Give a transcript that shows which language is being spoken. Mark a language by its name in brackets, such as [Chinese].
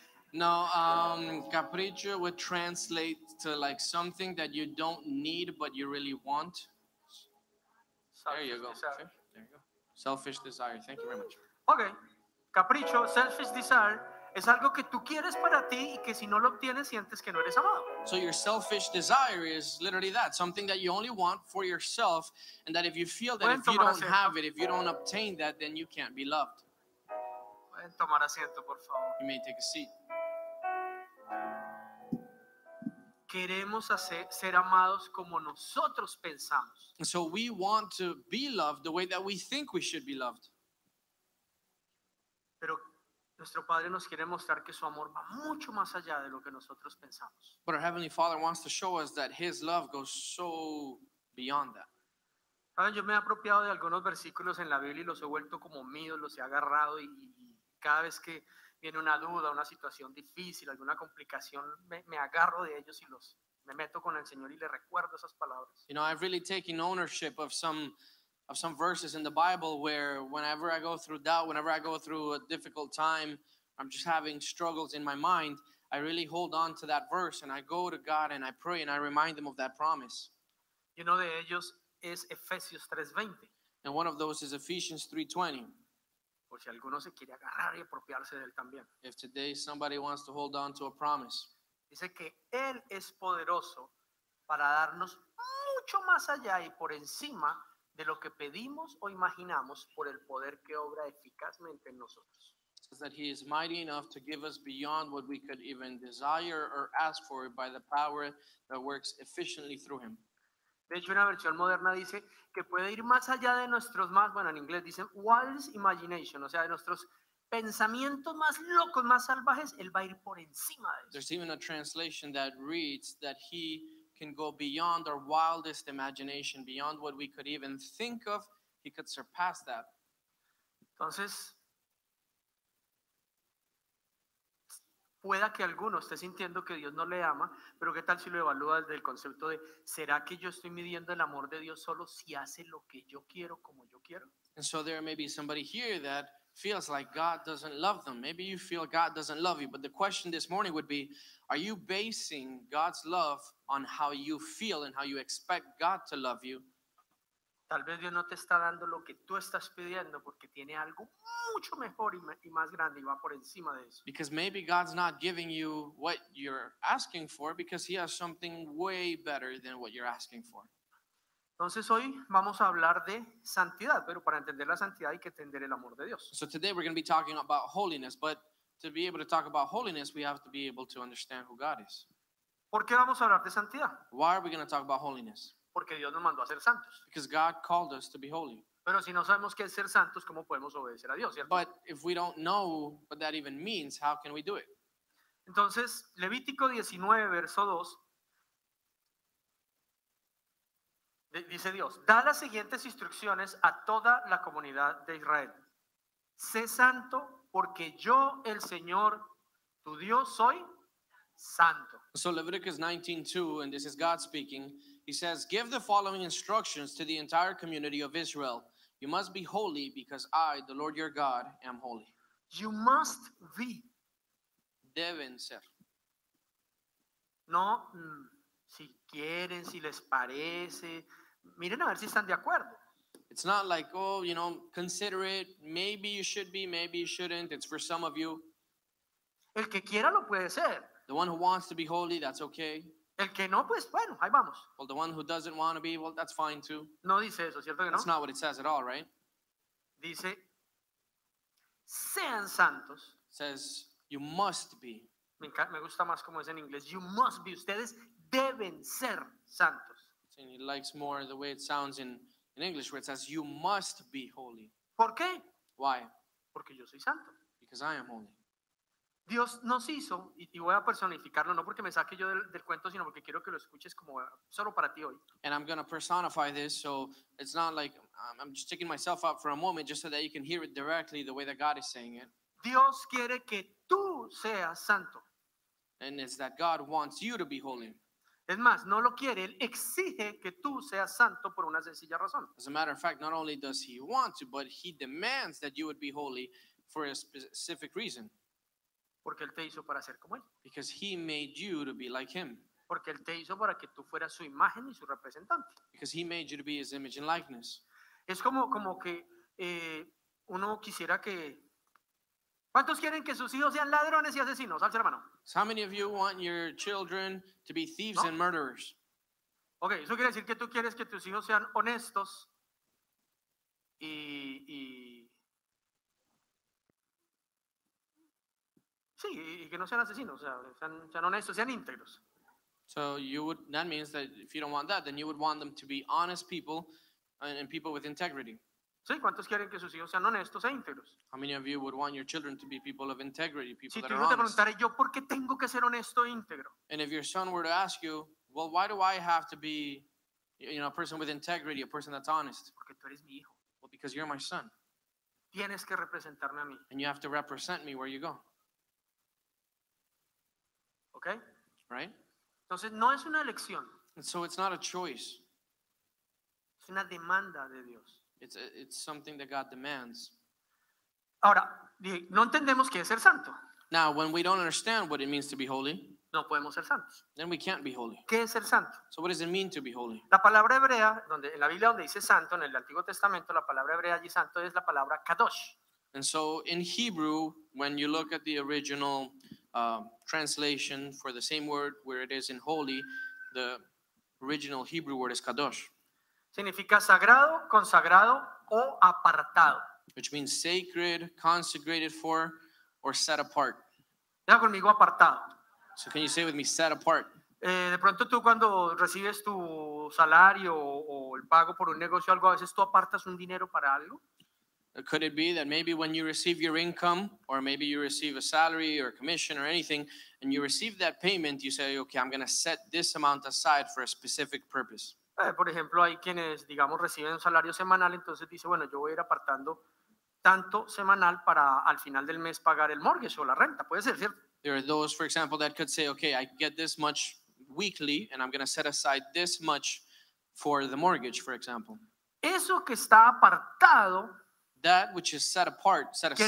[English] No, capricho would translate to like something that you don't need but you really want. Selfish there you go. Desire. There you go. Selfish desire. Thank you very much. Okay. Capricho, selfish desire [Spanish] Es algo que tú quieres para ti y que si no lo obtienes sientes que no eres amado. [English] So your selfish desire is literally that, something that you only want for yourself, and that if you feel that if you don't have it, if you don't obtain that, then you can't be loved. [Spanish] Pueden tomar asiento, por favor. [English] You may take a seat. [Spanish] Queremos hacer, ser amados como nosotros pensamos. [English] So we want to be loved the way that we think we should be loved. [Spanish] Pero nuestro Padre nos quiere mostrar que su amor va mucho más allá de lo que nosotros pensamos. [English] But our Heavenly Father wants to show us that His love goes so beyond that. [Spanish] ¿Saben? Yo me he apropiado de algunos versículos en la Biblia y los he vuelto como míos, los he agarrado y cada vez que viene una duda, una situación difícil, alguna complicación, me agarro de ellos y los me meto con el Señor y le recuerdo esas palabras. [English] You know, I've really taken ownership of some verses in the Bible where whenever I go through doubt, whenever I go through a difficult time, I'm just having struggles in my mind, I really hold on to that verse and I go to God and I pray and I remind them of that promise. [Spanish] Y uno de ellos es Efesios 3:20. [English] And one of those is Ephesians 3:20. [Spanish] Por si alguno se quiere agarrar y apropiarse de él también. [English] If today somebody wants to hold on to a promise. [Spanish] Dice que él es poderoso para darnos mucho más allá y por encima de lo que pedimos o imaginamos por el poder que obra eficazmente en nosotros. [English] It says that he is mighty enough to give us beyond what we could even desire or ask for by the power that works efficiently through him. [Spanish] De hecho, una versión moderna dice que puede ir más allá de nuestros más, bueno, en inglés dicen [English] wildest imagination, [Spanish] o sea, de nuestros pensamientos más locos, más salvajes, él va a ir por encima de eso. [English] There's even a translation that reads that he can go beyond our wildest imagination, beyond what we could even think of, he could surpass that. [Spanish] Entonces, pueda que alguno esté sintiendo que Dios no le ama, pero qué tal si lo evalúa desde el concepto de ¿será que yo estoy midiendo el amor de Dios solo si hace lo que yo quiero como yo quiero? [English] And so there may be somebody here that feels like God doesn't love them. Maybe you feel God doesn't love you, but the question this morning would be, are you basing God's love on how you feel and how you expect God to love you? [Spanish] Tal vez Dios no te está dando lo que tú estás pidiendo porque tiene algo mucho mejor y más grande y va por encima de eso. [English] Because maybe God's not giving you what you're asking for because he has something way better than what you're asking for. [Spanish] Entonces hoy vamos a hablar de santidad, pero para entender la santidad hay que entender el amor de Dios. [English] So today we're going to be talking about holiness, but to be able to talk about holiness, we have to be able to understand who God is. [Spanish] ¿Por qué vamos a hablar de santidad? [English] Why are we going to talk about holiness? [Spanish] Porque Dios nos mandó a ser santos. [English] Because God called us to be holy. [Spanish] Pero si no sabemos qué es ser santos, ¿cómo podemos obedecer a Dios, cierto? [English] But if we don't know what that even means, how can we do it? [Spanish] Entonces, Levítico 19, verso 2, dice Dios, da las siguientes instrucciones a toda la comunidad de Israel. Sé santo porque yo, el Señor, tu Dios, soy santo. [English] So Leviticus 19:2, and this is God speaking. He says, give the following instructions to the entire community of Israel. You must be holy because I, the Lord your God, am holy. You must be. [Spanish] Deben ser. No, si quieren, si les parece. Miren a ver si están de acuerdo. [English] It's not like, oh, you know, consider it. Maybe you should be, maybe you shouldn't. It's for some of you. [Spanish] El que quiera lo puede ser. [English] The one who wants to be holy, that's okay. [Spanish] El que no, pues, bueno, ahí vamos. [English] Well, the one who doesn't want to be, well, that's fine too. [Spanish] No dice eso, ¿cierto que no? [English] That's not what it says at all, right? [Spanish] Dice, sean santos. [English] It says, you must be. [Spanish] Me gusta más como es en inglés. [English] You must be. [Spanish] Ustedes deben ser santos. [English] And he likes more the way it sounds in English, where it says, you must be holy. [Spanish] ¿Por qué? [English] Why? [Spanish] Porque yo soy santo. [English] Because I am holy. [Spanish] Dios nos hizo, y voy a personificarlo, no porque me saque yo del cuento, sino porque quiero que lo escuches como solo para ti hoy. [English] And I'm going to personify this, so it's not like I'm just taking myself out for a moment just so that you can hear it directly the way that God is saying it. [Spanish] Dios quiere que tú seas santo. [English] And it's that God wants you to be holy. [Spanish] Es más, no lo quiere, él exige que tú seas santo por una sencilla razón. [English] As a matter of fact, not only does he want to, but he demands that you would be holy for a specific reason. [Spanish] Porque él te hizo para ser como él. [English] Because he made you to be like him. [Spanish] Porque él te hizo para que tú fueras su imagen y su representante. [English] Because he made you to be his image and likeness. [Spanish] Es como que uno quisiera que, ¿Cuántos quieren que sus hijos sean ladrones y asesinos? Alce la mano. [English] So how many of you want your children to be thieves and murderers? [Spanish] Okay, eso quiere decir que tú quieres que tus hijos sean honestos y que no sean asesinos, o sea, sean honestos, sean íntegros. [English] So you would, that means that if you don't want that, then you would want them to be honest people and people with integrity. [Spanish] Sí, ¿cuántos quieren que sus hijos sean honestos e íntegros? [English] How many of you would want your children to be people of integrity, people [Spanish] si [English] that are honest? [Spanish] Si tu hijo te preguntara, ¿yo por qué tengo que ser honesto e íntegro? [English] And if your son were to ask you, well, why do I have to be, you know, a person with integrity, a person that's honest? [Spanish] Porque tú eres mi hijo. [English] Well, because you're my son. [Spanish] Tienes que representarme a mí. [English] And you have to represent me where you go. Okay? Right? [Spanish] Entonces, no es una elección. [English] And so it's not a choice. [Spanish] Es una demanda de Dios. [English] It's something that God demands. [Spanish] Ahora, no entendemos qué es ser santo. [English] Now, when we don't understand what it means to be holy, [Spanish] no podemos ser santos. [English] Then we can't be holy. [Spanish] ¿Qué es ser santo? [English] So what does it mean to be holy? [Spanish] La palabra hebrea, donde en la Biblia donde dice santo, en el Antiguo Testamento, la palabra hebrea allí santo es la palabra kadosh. [English] And so in Hebrew, when you look at the original translation for the same word where it is in holy, the original Hebrew word is kadosh. [Spanish] Significa sagrado, consagrado o apartado. [English] Which means sacred, consecrated for, or set apart. [Spanish] Ya conmigo apartado. [English] So can you say with me, set apart? [Spanish] De pronto tú cuando recibes tu salario o el pago por un negocio o algo, a veces tú apartas un dinero para algo. [English] Could it be that maybe when you receive your income, or maybe you receive a salary or a commission or anything, and you receive that payment, you say, okay, I'm going to set this amount aside for a specific purpose. [Spanish] Por ejemplo, hay quienes, digamos, reciben un salario semanal, entonces dice, bueno, yo voy a ir apartando tanto semanal para al final del mes pagar el mortgage o la renta. Puede ser, ¿cierto? [English] There are those, for example, that could say, okay, I get this much weekly, and I'm going to set aside this much for the mortgage, for example. [Spanish] Eso que está apartado, [English] that which is set apart, set aside,